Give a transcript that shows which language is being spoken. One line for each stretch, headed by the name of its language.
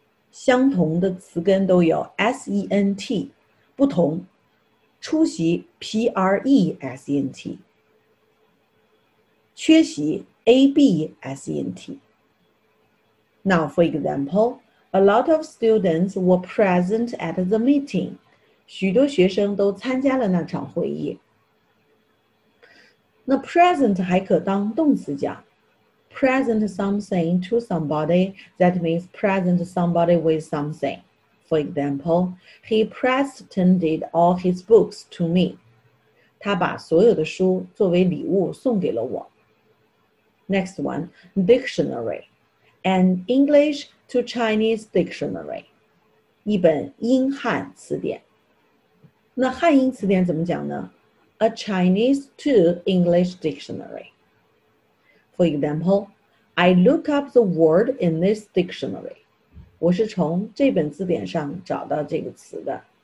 Chinese: 相同的词根都有 sent, 不同，出席 present, 缺席 absent。
English: Now, for example, a lot of students were present at the meeting.
Chinese: 许多学生都参加了那场会议。那 present 还可当动词讲
English: present something to somebody, that means present somebody with something. For example, he presented all his books to me.
Chinese: 他把所有的书作为礼物送给了我。
English: Next one, dictionary. An English to Chinese dictionary.
Chinese: 一本英汉词典。那汉英词典怎么讲呢？
English: A Chinese to English dictionary. For example, I look up the word in this dictionary.
Chinese: 我是从这本字典上找到这个词的。